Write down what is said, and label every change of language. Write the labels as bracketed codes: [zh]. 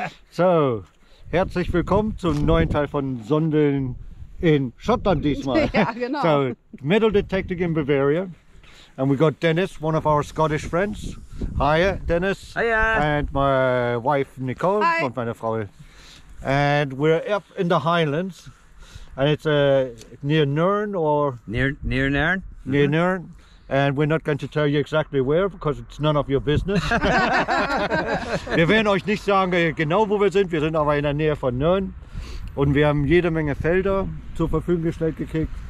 [de] So, herzlich willkommen zum neuen Teil von Sondeln in Schottland diesmal. Ja, genau. [en] So, metal detecting in Bavaria. And we got Dennis, one of our Scottish friends. Hiya, Dennis. Hiya. And my wife, Nicole. Hi. [de] Und meine Frau. [en] And we're up in the Highlands. And it's near Nairn or... Near Nairn. Mm-hmm. Near Nairn. And we're not going to tell you exactly where, because it's none of your business. [de] Wir werden euch nicht sagen, genau wo wir sind. Wir sind aber in der Nähe von Nürn. Und wir haben jede Menge Felder zur Verfügung gestellt gekriegt.